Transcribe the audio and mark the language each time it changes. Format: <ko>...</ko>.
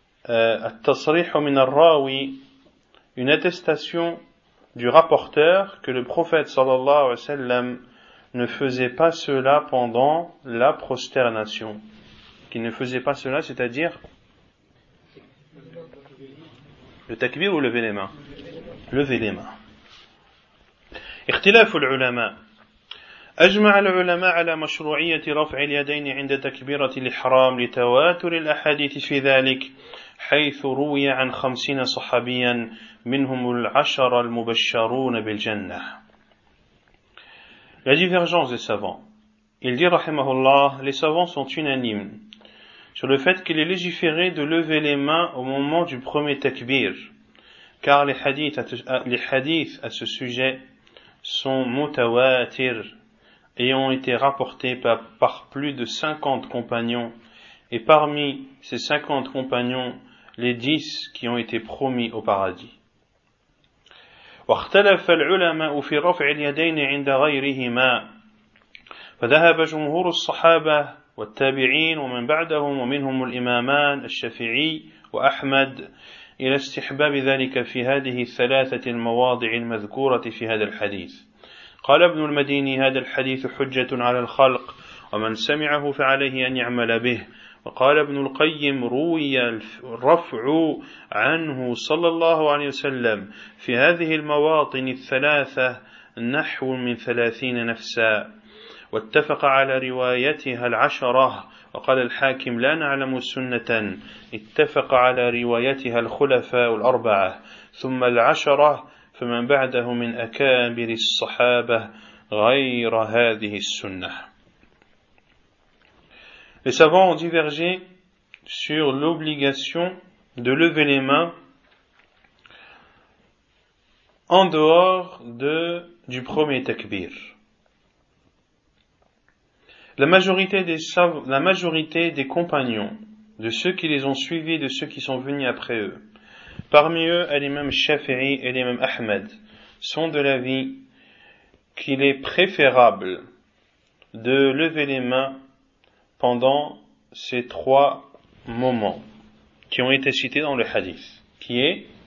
<ar>التصريح من الراوي,</ar> <fr>une attestation du rapporteur que le prophète sallallahu alayhi wa sallam ne faisait pas cela pendant la prosternation. Qu'il ne faisait pas cela, c'est-à-dire le takbir ou lever les mains? Lever les mains.</fr> <ar>اختلاف العلماء أجمع العلماء على مشروعية رفع اليدين عند تكبيرة الإحرام لتواتر الأحاديث في ذلك حيث روي عن 50 صحابيا منهم العشر المبشرون بالجنة.</ar> <fr>La divergence des savants. Il dit</fr> <ar>رحمه الله,</ar> <fr>les savants sont unanimes sur le fait qu'il est légiféré de lever les mains au moment du premier takbir, car les hadiths à ce sujet sont mutawatir et ont été rapportés par plus de 50 compagnons, et parmi ces 50 compagnons, les 10 qui ont été promis au paradis.</fr> <ar>واختلف العلماء في رفع اليدين عند غيرهما فذهب جمهور الصحابة والتابعين ومن بعدهم ومنهم الإمامان الشافعي وأحمد إلى استحباب ذلك في هذه الثلاثة المواضع المذكورة في هذا الحديث. قال ابن المديني, هذا الحديث حجة على الخلق ومن سمعه فعليه أن يعمل به. وقال ابن القيم, روي الرفع عنه صلى الله عليه وسلم في هذه المواطن الثلاثة نحو من 30 نفسا, واتفق على روايتها العشرة. وقال الحاكم, لا نعلم سنة اتفق على روايتها الخلفاء الأربعة ثم العشرة فمن بعده من أكابر الصحابة غير هذه السنة.</ar> <fr>Les savants ont divergé sur l'obligation de lever les mains en dehors du premier takbir. La majorité des compagnons, de ceux qui les ont suivis, de ceux qui sont venus après eux, parmi eux, l'imam Shafi'i et l'imam Ahmed, sont de l'avis qu'il est préférable de lever les mains pendant ces trois moments qui ont été cités dans le hadith, qui est</fr>